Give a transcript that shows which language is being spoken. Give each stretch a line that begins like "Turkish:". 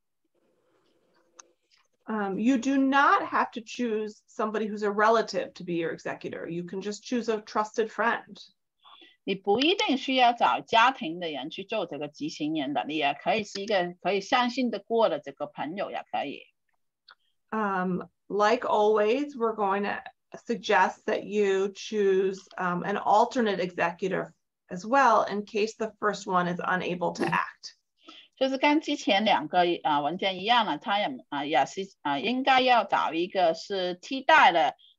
Chinese: 他们建议就是说你要找这个人需要是非常有组织能力的，也可以去找得到他了，所以最好这个人是住在费城这里的，就是最好，可是也不是说一定要在费城地区的。
English: You do not have to choose somebody who's a relative to be your executor. You can just choose a trusted friend.
Chinese: 你不一定需要找家庭的人去做这个执行人的，你也可以是一个可以相信得过的这个朋友也可以。
English: Like always, we're going to suggest that you choose an alternate executor as well in case the first one is unable to act.
Chinese: 就是跟之前两个文件一样了，他也是应该要找一个是替代的。